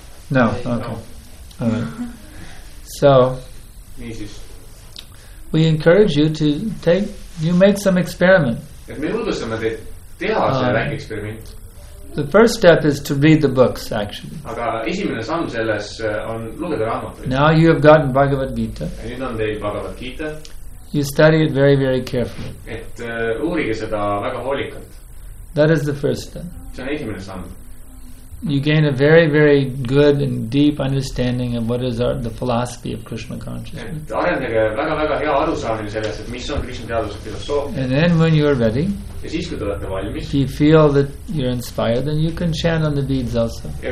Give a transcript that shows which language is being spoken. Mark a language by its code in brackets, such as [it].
[en] No, okay. All right. So, we encourage you to take, you make some experiment. The first step is to read the books, actually. [et] Aga esimene samm selles on lugeda raamatuid. [en] Now you have gotten Bhagavad Gita. [et] Nüüd on teil Bhagavad Gita. [en] You study it very, very carefully. [et] Et uurige seda väga hoolikalt. [en] That is the first step. [et] See on esimene samm. [en] you gain a very, very good and deep understanding of what is the philosophy of Krishna consciousness. And then when you are ready, if you feel that you're inspired, then you can chant on the beads also.